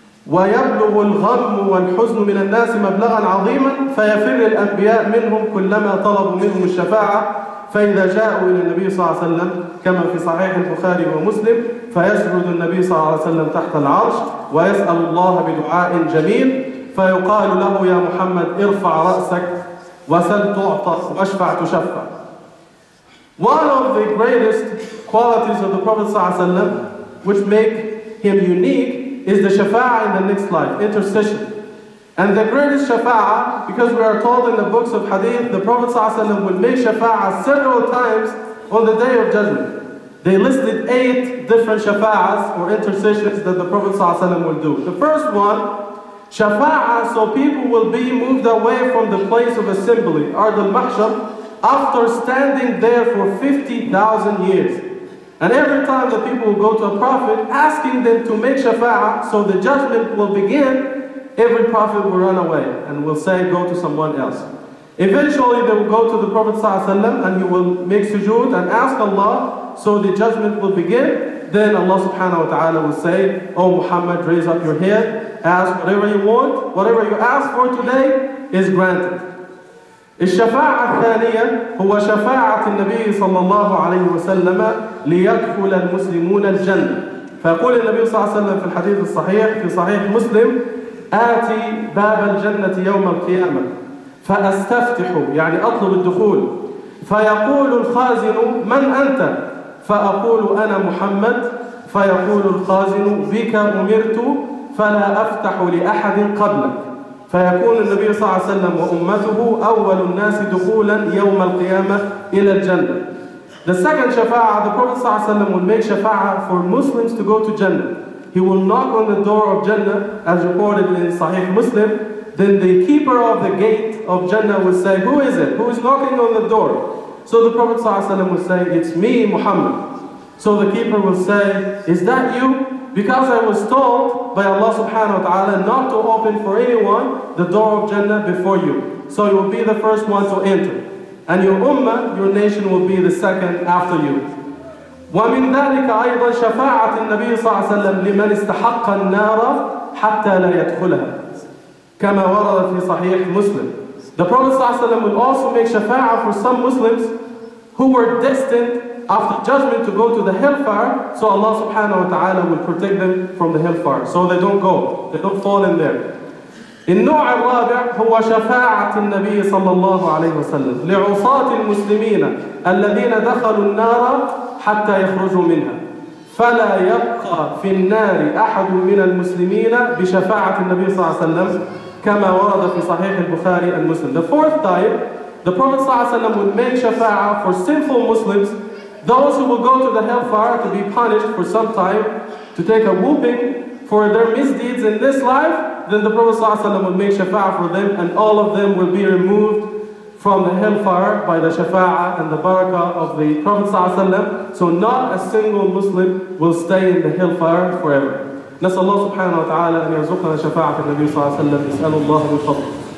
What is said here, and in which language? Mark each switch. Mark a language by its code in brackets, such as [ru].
[ar] ويبلغ الغم والحزن من الناس مبلغا عظيما فيفر الأنبياء منهم كلما طلبوا منهم الشفاعة فإذا جاءوا إلى النبي صلى الله عليه وسلم كما في صحيح البخاري ومسلم فيسجد النبي صلى الله عليه وسلم تحت العرش ويسأل الله بدعاء جميل فيقال له يا محمد ارفع رأسك وسل تعطى واشفع تشفع. [en] One of the greatest qualities of the Prophet [ar] صلى الله عليه وسلم [en] which make him unique is the shafa'ah in the next life, intercession. And the greatest shafa'ah, because we are told in the books of hadith, the Prophet ﷺ would make shafa'ah several times on the Day of Judgment. They listed 8 different shafa'ahs or intercessions that the Prophet ﷺ would do. The first one, shafa'ah so people will be moved away from the place of assembly, Ard al-Mahshar, after standing there for 50,000 years. And every time the people will go to a Prophet, asking them to make shafa'ah so the judgment will begin, every Prophet will run away and will say, go to someone else. Eventually, they will go to the Prophet ﷺ and he will make sujood and ask Allah, so the judgment will begin. Then Allah subhanahu wa ta'ala will say, O Muhammad, raise up your head, ask whatever you want, whatever you ask for today is granted. [ar] الشفاعه الثانيه هو شفاعه النبي صلى الله عليه وسلم ليدخل المسلمون الجنه. فيقول النبي صلى الله عليه وسلم في الحديث الصحيح في صحيح مسلم آتي باب الجنه يوم القيامه فأستفتح يعني أطلب الدخول، فيقول الخازن من أنت؟ فأقول أنا محمد، فيقول الخازن بك أمرت فلا أفتح لأحد قبلك. فيكون النبي صلى الله عليه وسلم وأمته أول الناس دخولا يوم القيامة إلى الجنة. [en] The second shafa'ah, the Prophet [ar] صلى الله عليه وسلم [en] will make shafa'ah for Muslims to go to Jannah. He will knock on the door of Jannah, as reported in Sahih Muslim. Then the keeper of the gate of Jannah will say, who is it? Who is knocking on the door? So the Prophet [ar] صلى الله عليه وسلم [en] will say, it's me, Muhammad. So the keeper will say, is that you? Because I was told by Allah subhanahu wa ta'ala not to open for anyone the door of Jannah before you. So you will be the first one to enter. And your ummah, your nation, will be the second after you. [ar] وَمِنْ ذَلِكَ أَيْضًا شَفَاعَةِ النَّبِيِّ صَلَّى اللَّهُ عَلَيْهِ وَسَلَّمَ لِمَنِ اسْتَحَقَّ النَّارَ حَتَّى لَا يَدْخُلَهَا كَمَا وَرَدَ فِي صَحِيحِ مُسْلِمٍ. [en] The Prophet [ar] صلى الله عليه وسلم [en] will also make shafa'ah for some Muslims who were destined after judgment to go to the hellfire. So Allah subhanahu wa ta'ala will protect them from the hellfire, so they don't go, they don't fall in there. [ar] النوع الرابع هو شفاعة النبي صلى الله عليه وسلم لعصاة المسلمين الذين دخلوا النار حتى يخرجوا منها فلا يبقى في النار أحد من المسلمين بشفاعة النبي صلى الله عليه وسلم كما ورد في صحيح البخاري المسلم. [en] The fourth type, the Prophet [ar] صلى الله عليه وسلم [en] would make shafa'ah for sinful Muslims, those who will go to the hellfire to be punished for some time, to take a whooping for their misdeeds in this life. Then the Prophet [ar] صلى الله عليه وسلم [en] would make shafa'ah for them, and all of them will be removed from the hellfire by the shafa'ah and the barakah of the Prophet صلى الله عليه وسلم. So not a single Muslim will stay in the hellfire forever. [ar] نسأل الله سبحانه وتعالى أن يرزقنا شفاعة النبي صلى الله عليه وسلم. نسأل الله من فضله.